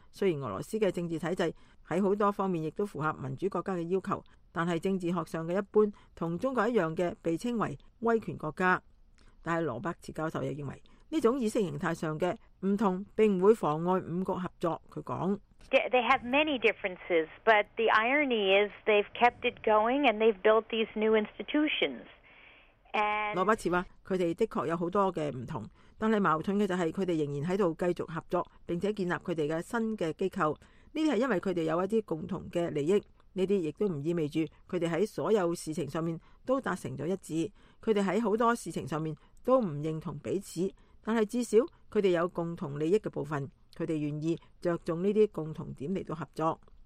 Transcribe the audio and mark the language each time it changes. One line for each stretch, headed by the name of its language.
Chinese: 虽然俄罗斯的政治体制在很多方面也都符合民主国家的要求，但是政治学上的一般和中国一样的被称为威权国家。但是罗伯茨教授也认为，这种意识形态上的不同并不会妨碍五国合作，他说。
English: They have many differences, but the irony is they've kept it going and they've built these new institutions.
Chinese: 罗伯茨说，他们的确有很多的不同，但是矛盾的就是他们仍然在继续合作，并且建立他们的新的机构。这是因为他们有一些共同的利益，这些也都不意味着他们在所有事情上面都达成了一致。他们在很多事情上面都不认同彼此，但是至少他们有共同利益的部分，他们愿意着重这些共同点来合作。